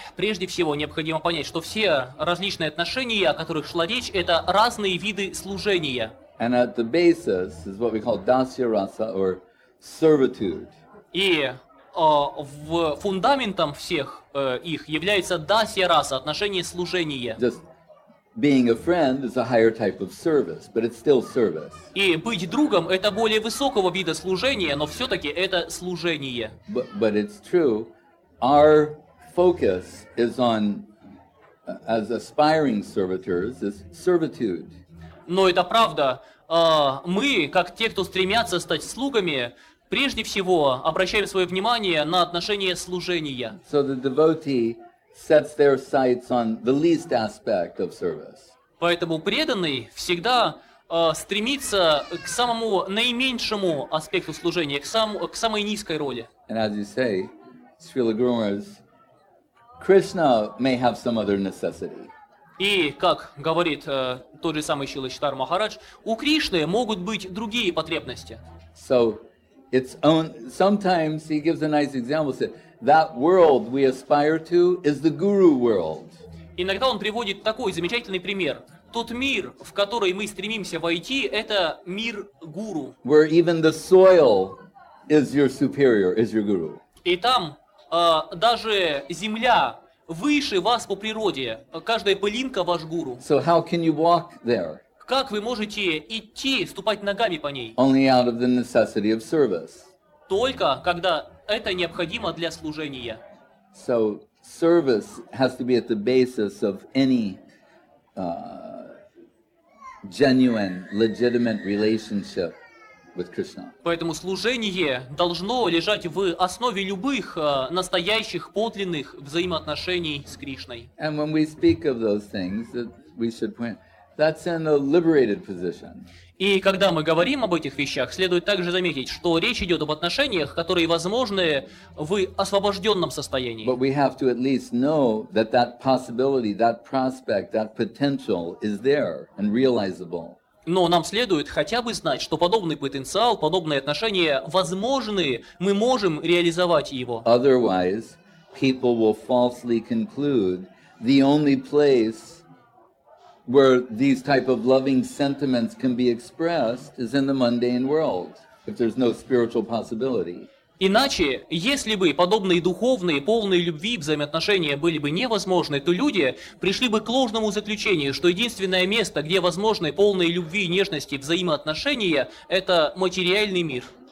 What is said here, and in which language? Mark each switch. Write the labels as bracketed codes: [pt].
[ru] Прежде всего, необходимо понять, что все различные отношения, о которых шла речь, это разные виды служения. [en] And at the basis is what we call dasya rasa, or servitude. [ru] И фундаментом всех их является дасья раса, отношение служения. [en] Just being a friend is a higher type of service, but it's still service. [ru] И быть другом — это более высокого вида служения, но все-таки это служение. [en] But it's true, our focus is on, as aspiring servitors, is servitude. [ru] Но это правда. Мы, как те, кто стремятся стать слугами, прежде всего обращаем свое внимание на отношение служения. [en] So the devotee sets their sights on the least aspect of service. [ru] Поэтому преданный всегда стремится к самому наименьшему аспекту служения, к самой низкой роли. [en] And as you say, Srila Guru Maharaj, Krishna may have some other necessity. [ru] И, как говорит тот же самый Шрила Читар Махарадж, у Кришны могут быть другие потребности. [en] So, it's on, sometimes he gives a nice example, said, that world we aspire to is the guru world. [ru] Иногда он приводит такой замечательный пример. Тот мир, в который мы стремимся войти, это мир гуру. [en] Where even the soil is your superior, is your guru. [ru] И там даже земля выше вас по природе, каждая пылинка ваш гуру. [en] So how can you walk there? [ru] Как вы можете идти, ступать ногами по ней? [en] Only out of the necessity of service. [ru] Только когда это необходимо для служения. [en] So service has to be at the basis of any genuine, legitimate relationship with Krishna. [ru] Поэтому служение должно лежать в основе любых настоящих, подлинных взаимоотношений с Кришной. [en] And when we speak of those things, that we should point, that's in a liberated position. [ru] И когда мы говорим об этих вещах, следует также заметить, что речь идет об отношениях, которые возможны в освобожденном состоянии. [en] But we have to at least know that that possibility, that prospect, that potential is there and realizable. [ru] Но нам следует хотя бы знать, что подобный потенциал, подобные отношения возможны, мы можем реализовать его. [en] Otherwise, people will falsely conclude the only place where these type of loving sentiments can be expressed is in the mundane world, if there's no spiritual possibility. [ru] Иначе, если бы подобные духовные, полные любви взаимоотношения были бы невозможны, то люди пришли бы к ложному заключению, что единственное место, где возможны полные любви и нежности взаимоотношения, это материальный мир.